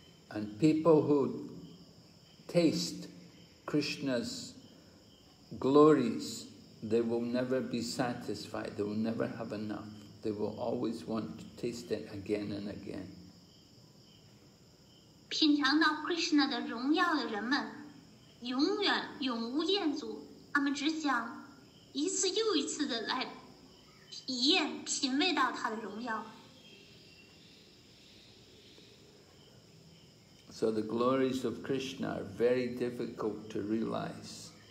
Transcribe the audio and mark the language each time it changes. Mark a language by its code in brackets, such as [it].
[en] And people who taste Krishna's glories, they will never be satisfied, they will never have enough. They will always want to taste it again and again. [zh] 品尝到 Krishna 的荣耀的人们永远永无厌足，他们只想一次又一次的来体验品味到他的荣耀。 [en] So the glories of Krishna are very difficult to realize.